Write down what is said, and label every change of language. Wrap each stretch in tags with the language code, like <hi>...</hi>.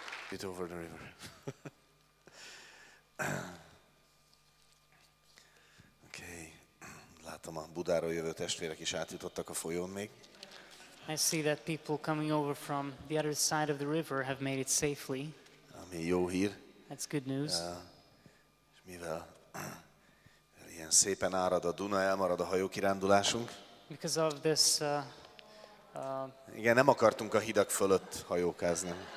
<en>It over the river. Okay.</en> <hu>Látom, a Budáról jövő testvérek is átjutottak a folyón még.</hu> <en>I see that people coming over from the other side of the river have made it safely.</en> <hu>Ami jó hír.</hu> <en>That's good news.</en> <hu>És mivel ilyen szépen árad a Duna, elmarad a hajókirándulásunk.</hu> <en>Because of this.</en> <hu>Igen, nem akartunk a hidak fölött hajókázni.</hu>